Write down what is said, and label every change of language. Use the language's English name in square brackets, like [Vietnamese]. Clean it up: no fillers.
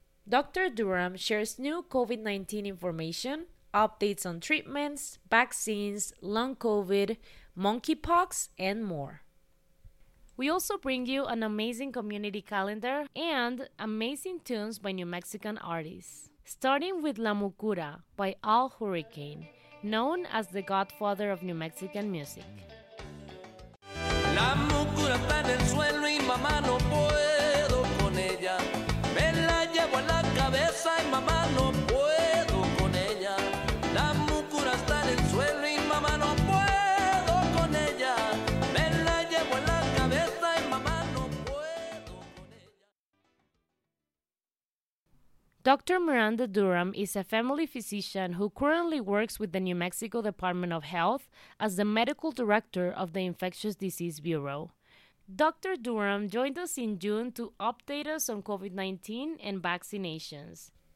[English] Dr. Durham shares new COVID-19 information, updates on treatments, vaccines, long COVID, monkeypox, and more. We also bring you an amazing community calendar and amazing tunes by New Mexican artists. Starting with La Mucura by Al Hurricane, known as the godfather of New Mexican music. [Spanish] La mucura está en el suelo y mamá no puedo con ella. Me la llevo en la cabeza y mamá no puedo con ella. La mucura está en el suelo y mamá no puedo con ella. Me la llevo en la cabeza y mamá no puedo con ella. [English] Dr. Miranda Durham is a family physician who currently works with the New Mexico Department of Health as the medical director of the Infectious Disease Bureau. Dr. Durham joined us in June to update us on COVID-19 and vaccinations.